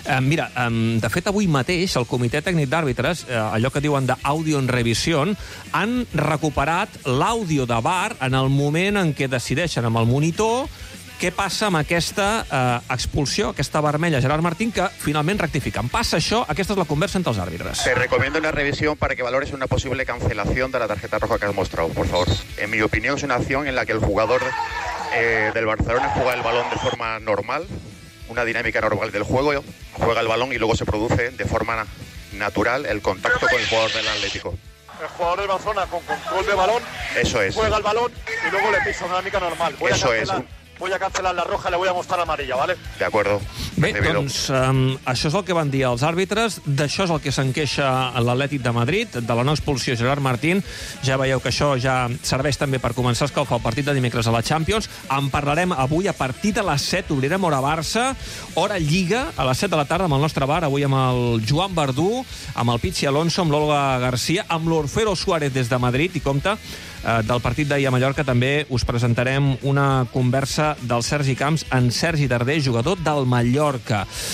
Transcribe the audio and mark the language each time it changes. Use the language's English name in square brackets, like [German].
[Catalan] Mira, de fet, avui mateix el Comitè Tècnic d'Àrbitres, allò que diuen d'àudio [Spanish] en revisión, [Catalan] han recuperat l'àudio de VAR en el moment en què decideixen amb el monitor què passa amb aquesta expulsió, aquesta vermella, Gerard Martín, que finalment rectifiquen. Passa això, aquesta és la conversa entre els àrbitres. [Spanish] Te recomiendo una revisión para que valores una posible cancelación de la tarjeta roja que has mostrado, por favor. En mi opinión es una acción en la que el jugador del Barcelona juega el balón de forma normal, una dinámica normal del juego, juega el balón y luego se produce de forma natural el contacto con el jugador del Atlético. El jugador de Barcelona con control de balón, eso es, juega el balón y luego le pisa, una dinámica normal. Voy eso es. Voy a cancelar la roja, le voy a mostrar amarilla, ¿vale? De acuerdo. [Catalan] Bé, doncs, això és el que van dir els àrbitres, d'això és el que s'enqueixa l'Atlètic de Madrid, de la no expulsió Gerard Martín. Ja veieu que això ja serveix també per començar a escalfar el partit de dimecres a la Champions. En parlarem avui a partir de les 7, obrirem hora Barça, hora Lliga, a les 7 de la tarda amb el nostre bar, avui amb el Joan Verdú, amb el Pichi Alonso, amb l'Olga García, amb l'Orfeo Suárez des de Madrid, i compte, del partit d'ahir a Mallorca també us presentarem una conversa del Sergi Camps en Sergi Darder, jugador del Mallorca.